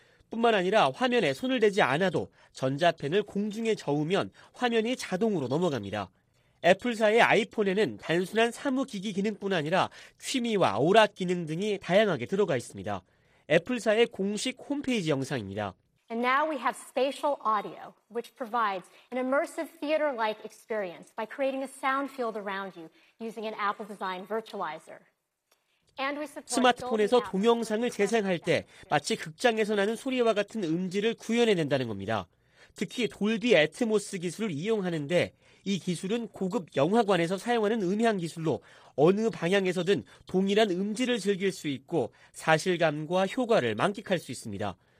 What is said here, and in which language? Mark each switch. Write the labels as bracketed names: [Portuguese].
[Korean] 뿐만 아니라 화면에 손을 대지 않아도 전자펜을 공중에 저으면 화면이 자동으로 넘어갑니다. 애플사의 아이폰에는 단순한 사무기기 기능뿐 아니라 취미와 오락 기능 등이 다양하게 들어가 있습니다. 애플사의 공식 홈페이지 영상입니다. [English] And now we have spatial audio, which provides an immersive theater-like experience by creating a sound field around you using an Apple design virtualizer. [Korean] 스마트폰에서 동영상을 재생할 때 마치 극장에서 나는 소리와 같은 음질을 구현해낸다는 겁니다. 특히 돌비 애트모스 기술을 이용하는데 이 기술은 고급 영화관에서 사용하는 음향 기술로 어느 방향에서든 동일한 음질을 즐길 수 있고 사실감과 효과를 만끽할 수 있습니다.